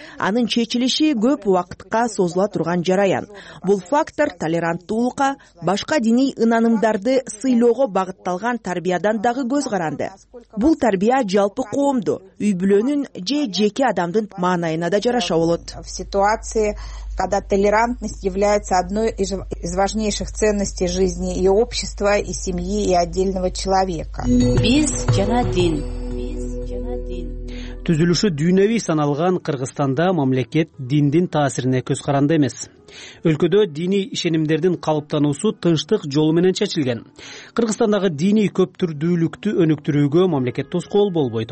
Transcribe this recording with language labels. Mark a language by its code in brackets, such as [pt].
[ky] Анын чечилиши көп убакытка созула турган жараян. Бул фактор толеранттуулукка, башка диний ынанымдарды сыйлоого багытталган тарбия дагы көз каранды. Бул тарбия жалпы коомду, үй бүлөнүн же жеке адамдын маанайына да жараша болот. [ru] В ситуации, когда толерантность является одной из важнейших ценностей жизни и общества, и семьи, и отдельного человека. [ky] Биз жана дин. Түзүлүшү дүйнөвий саналган Кыргызстанда мамлекет диндин таасирине көз каранды эмес. Өлкөдө диний ишенимдердин калыптануусу тынчтык жолу менен чечилген. Кыргызстандагы диний көп түрдүүлүктү өнүктүрүүгө мамлекет тоскоол болбойт.